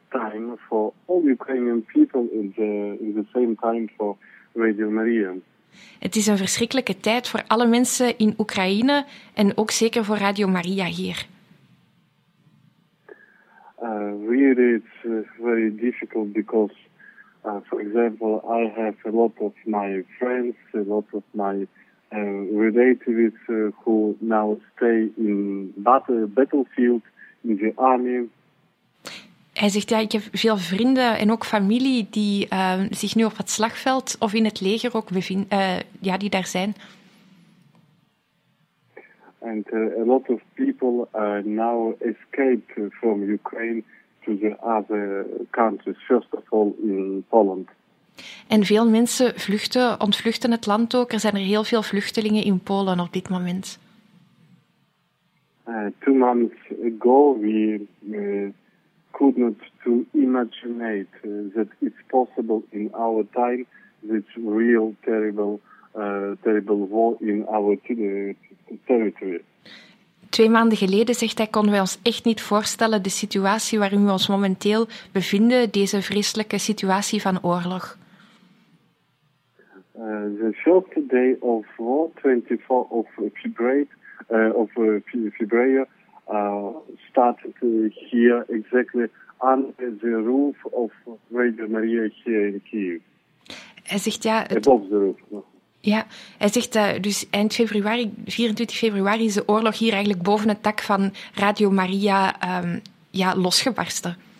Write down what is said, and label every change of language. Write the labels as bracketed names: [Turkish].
[English] Time for all Ukrainian people in the same time for Radio Maria. [Dutch] Het is een verschrikkelijke tijd voor alle mensen in Oekraïne en ook zeker voor Radio Maria hier. [English] Really, it's very difficult because, for example, I have a lot of my friends, a lot of my related with who now stay in battlefield in the army. [Dutch] Hij zegt, ja, ik heb veel vrienden en ook familie die zich nu op het slagveld of in het leger ook bevinden, ja, die daar zijn. [English] And a lot of people now escaped from Ukraine to the other countries, first of all in Poland. [Dutch] En veel mensen vluchten, ontvluchten het land ook. Er zijn er heel veel vluchtelingen in Polen op dit moment. [English] Two months ago we could not to imagine that it's possible in our time this real terrible war in our territory. [Dutch] Twee maanden geleden, zegt hij, konden wij ons echt niet voorstellen de situatie waarin we ons momenteel bevinden, deze vreselijke situatie van oorlog. [English] The first day of war, 24 February, started here exactly under the roof of Radio Maria here in Kyiv. [Dutch] Hij zegt ja. [English] Above the roof. [Dutch] Ja, hij zegt dus eind februari, 24 februari, is de oorlog hier eigenlijk boven het dak van Radio Maria losgebarsten.